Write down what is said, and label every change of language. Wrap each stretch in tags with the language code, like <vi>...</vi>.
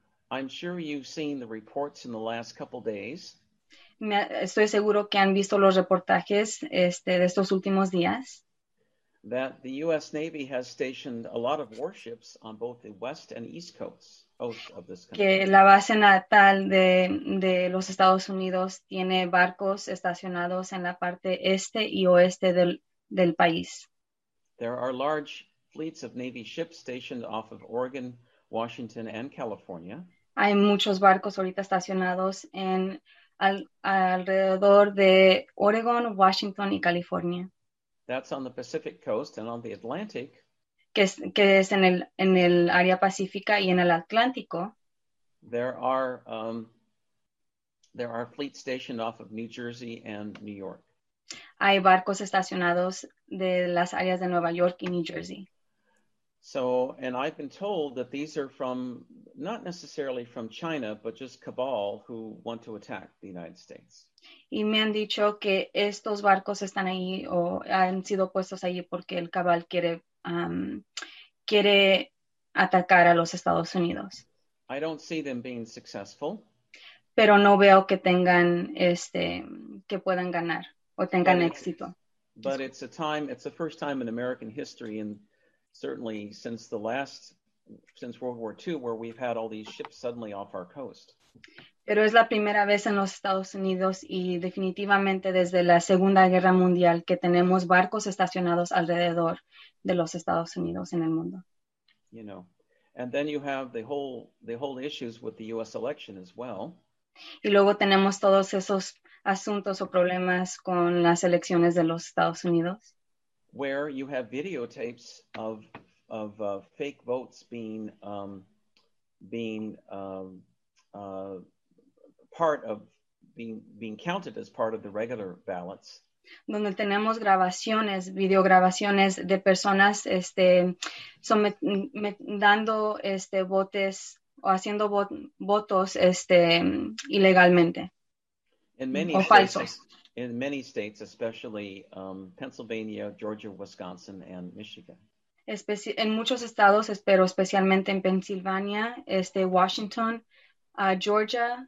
<en>I'm sure you've seen the reports in the last couple days.</en> <es>Estoy seguro que han visto los reportajes de estos últimos días.</es> <en>That the U.S. Navy has stationed a lot of warships on both the west and east coasts.</en> <es>Que la base natal de los Estados Unidos tiene barcos estacionados en la parte este y oeste del país.</es> <en>There are large fleets of Navy ships stationed off of Oregon, Washington, and California.</en> <es>Hay muchos barcos ahorita estacionados en alrededor de Oregon, Washington, y California.</es> <en>That's on the Pacific coast and on the Atlantic.</en> <es>Que es en el área pacífica y en el Atlántico.</es> <en>There are fleets stationed off of New Jersey and New York.</en> <es>Hay barcos estacionados de las áreas de Nueva York y New Jersey.</es> <en>So, and I've been told that these are from, not necessarily from China, but just cabal who want to attack the United States.</en> <es>Y me han dicho que estos barcos están ahí o han sido puestos ahí porque el cabal quiere atacar a los Estados Unidos.</es> <en>I don't see them being successful.</en> <es>Pero no veo que tengan que puedan ganar o tengan éxito.</es> <en>But it's the first time in American history and certainly since World War II where we've had all these ships suddenly off our coast.</en> <es>Pero es la primera vez en los Estados Unidos y definitivamente desde la Segunda Guerra Mundial que tenemos barcos estacionados alrededor de los Estados Unidos en el mundo.</es> <en>You know, and then you have the whole issues with the U.S. election as well.</en> <es>Y luego tenemos todos esos asuntos o problemas con las elecciones de los Estados Unidos.</es> <en>Where you have videotapes of fake votes being counted as part of the regular ballots.</en> <es>Donde tenemos grabaciones, videograbaciones de personas dando votos o haciendo votos ilegalmente.</es> <en>In many</en> <es>o falsos.</es> <en>In many states, especially Pennsylvania, Georgia, Wisconsin, and Michigan.</en> <es>En muchos estados, pero especialmente en Pennsylvania, Washington, Georgia.</es>